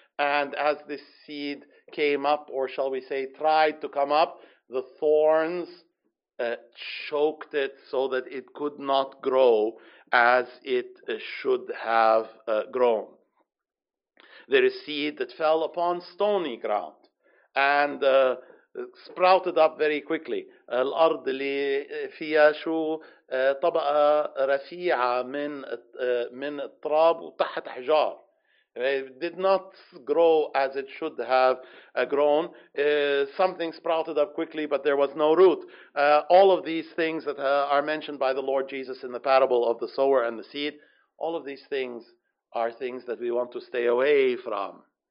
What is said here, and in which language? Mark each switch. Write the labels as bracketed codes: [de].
[en] And as this seed came up, or shall we say, tried to come up, the thorns choked it so that it could not grow as it should have grown. There is seed that fell upon stony ground and sprouted up very quickly. [ar] الأرض اللي فيها شو طبقة رفيعة من التراب وتحت حجار. [en] It did not grow as it should have grown. Something sprouted up quickly, but there was no root. All of these things that are mentioned by the Lord Jesus in the parable of the sower and the seed, all of these things are things that we want to stay away from.